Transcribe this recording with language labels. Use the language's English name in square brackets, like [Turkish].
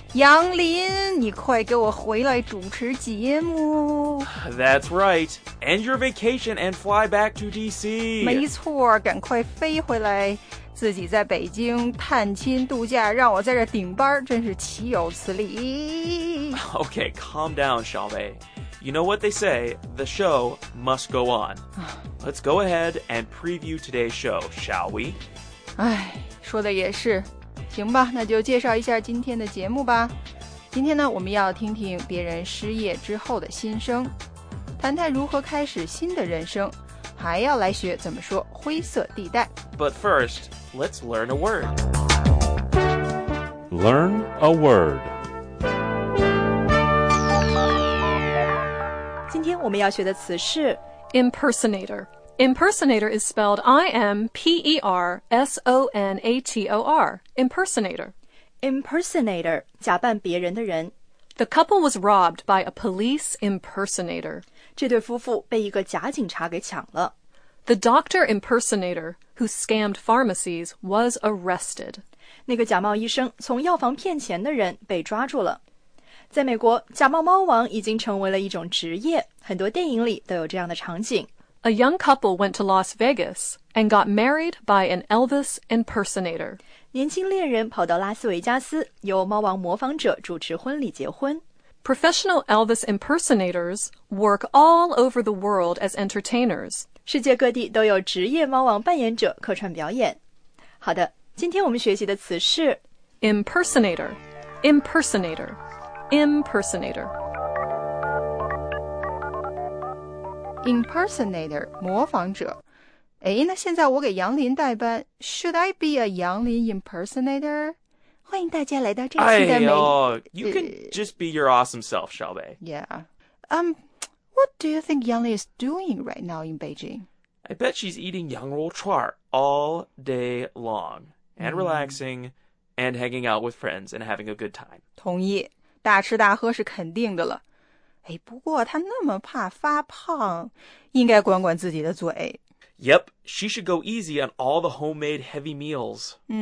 [Chinese] 杨林，你快给我回来主持节目。 [English] That's right. End your vacation and fly back to DC. [Chinese] 没错，赶快飞回来，自己在北京探亲度假，让我在这顶班，真是岂有此理。 [English] Okay, calm down, 小北。 You know what they say, the show must go on. Let's go ahead and preview today's show, shall we? [Chinese] 哎，说的也是。行吧，那就介绍一下今天的节目吧。今天呢，我们要听听别人失业之后的心声，谈谈如何开始新的人生，还要来学怎么说灰色地带。 [English] But first, let's learn a word. Learn a word. [Chinese] 今天我们要学的词是 [English] impersonator. Impersonator is spelled I-M-P-E-R-S-O-N-A-T-O-R. Impersonator. [Chinese] Impersonator, 假扮别人的人。 [English] The couple was robbed by a police impersonator. [Chinese] 这对夫妇被一个假警察给抢了。 [English] The doctor impersonator, who scammed pharmacies, was arrested. [Chinese] 那个假冒医生从药房骗钱的人被抓住了。在美国，假冒猫王已经成为了一种职业，很多电影里都有这样的场景。 [English] A young couple went to Las Vegas and got married by an Elvis impersonator. [Chinese] 年轻恋人跑到拉斯维加斯，由猫王模仿者主持婚礼结婚。 [English] Professional Elvis impersonators work all over the world as entertainers. [Chinese] 世界各地都有职业猫王扮演者客串表演。好的，今天我们学习的词是 [English] impersonator, impersonator. Impersonator. [Chinese] Impersonator, 模仿者。哎，那现在我给杨林代班。 [English] Should I be a 杨林 impersonator? [Chinese] 欢迎大家来到这期的美语。 [English] You can just be your awesome self, 小北。 Yeah. What do you think Yang Lin is doing right now in Beijing? I bet she's eating 羊肉串 all day long and relaxing and hanging out with friends and having a good time. [Chinese] 同意。大吃大喝是肯定的了。哎，不过她那么怕发胖，应该管管自己的嘴。 [English] Yep, she should go easy on all the homemade heavy meals.